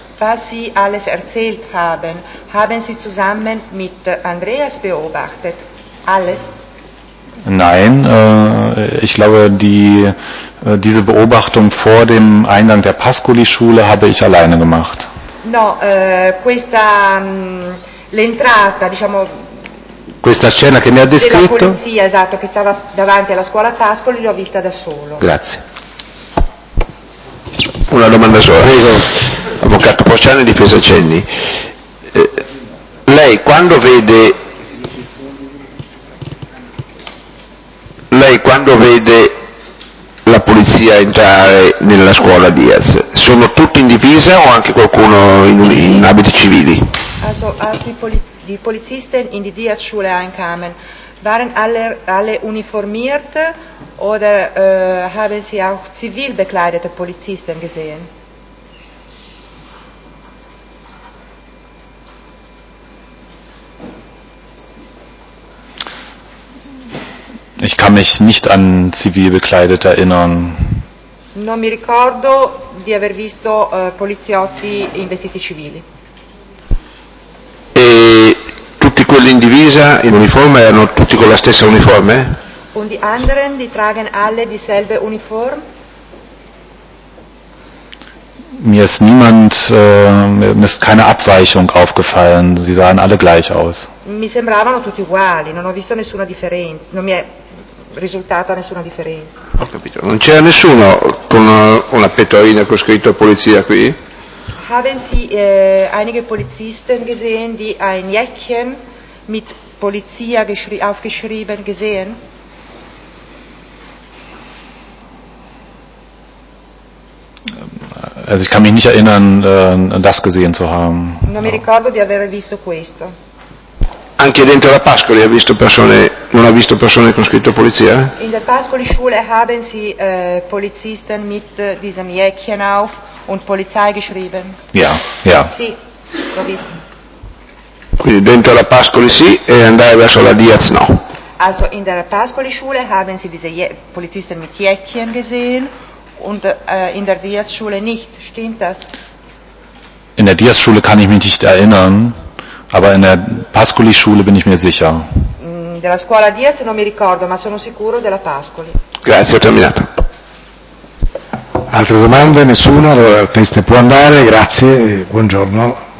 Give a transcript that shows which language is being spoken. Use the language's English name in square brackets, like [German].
[German] Was Sie alles erzählt haben, haben Sie zusammen mit Andreas beobachtet? Alles? Nein, ich glaube, diese Beobachtung vor dem Eingang der Pascoli-Schule habe ich alleine gemacht. [Italian] No, questa l'entrata, diciamo. Questa scena che mi ha descritto. La polizia, esatto, che stava davanti alla scuola Pascoli, l'ho vista da solo. Grazie. Una domanda sola. Prego. Avvocato Pociani, difesa Cenni. Lei quando vede la polizia a entrare nella scuola Diaz? Sono tutti in divisa o anche qualcuno in abiti civili? [German] Also altri di polizisten in die Diaz Schule einkamen, waren alle uniformiert oder haben sie auch zivil bekleidete Polizisten gesehen? Ich kann mich nicht an zivil bekleidete erinnern. [Italian] Non mi ricordo di aver visto poliziotti in vestiti civili. E tutti quelli in divisa, in uniforme, erano tutti con la stessa uniforme? [German] Und die anderen, die tragen alle dieselbe Uniform? Mir ist keine Abweichung aufgefallen. Sie sahen alle gleich aus. [Italian] Mi sembravano tutti uguali. Non ho visto nessuna differenza. Non mi è risultata nessuna differenza. Ho capito. Non c'era nessuno con una pettorina con scritto polizia qui? [German] Haben Sie einige Polizisten gesehen, die ein Jäckchen mit Polizia aufgeschrieben gesehen? Also ich kann mich nicht erinnern, das gesehen zu haben. [Italian] Non mi ricordo di aver visto questo. Anche dentro la Pascoli ha visto persone, non ha visto persone con scritto polizia? [German] In der Pascoli Schule haben sie Polizisten mit diesem Jäckchen auf und Polizei geschrieben. Ja, ja. [Italian] Sì, l'ho visto. Quindi dentro la Pascoli sì e andare verso la Diaz no. [German] Also in der Pascoli Schule haben sie diese Polizisten mit Jäckchen gesehen und in der Diaz Schule nicht, stimmt das? In der Diaz Schule kann ich mich nicht erinnern. Aber in der Pascoli-Schule bin ich mir sicher. [Italian] Della scuola Diaz non mi ricordo, ma sono sicuro della Pascoli. Grazie, ho terminato. Altre domande? Nessuna? Allora il test può andare, grazie, buongiorno.